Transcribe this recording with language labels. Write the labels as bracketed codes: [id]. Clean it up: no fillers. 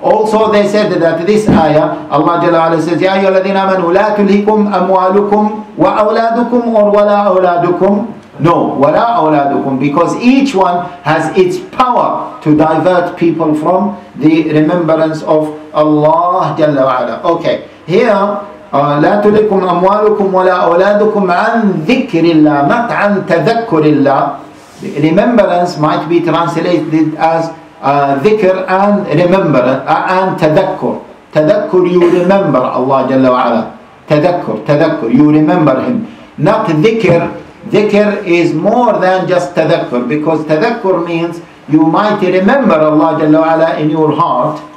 [en] Also, they said that this ayah, Allah Jalla Ala says, [ar] يَا أَيُّهَا الَّذِينَ آمَنُوا لَا تُلْهِكُمْ أَمْوَالُكُمْ وَأَوْلَادُكُمْ or وَلَا أَوْلَادُكُمْ. [en] No, [ar] وَلَا أَوْلَادُكُمْ, [en] because each one has its power to divert people from the remembrance of Allah Jalla Ala. Okay, here, [ar] لا تلهكم أموالكم ولا أولادكم عن ذكر الله, not عن تذكر الله. [en] Remembrance might be translated as ذكر and remember and تذكر. تذكر, you remember Allah جل وعلا. تذكر, تذكر, you remember him. Not ذكر. ذكر is more than just تذكر, because تذكر means you might remember Allah جل وعلا in your heart.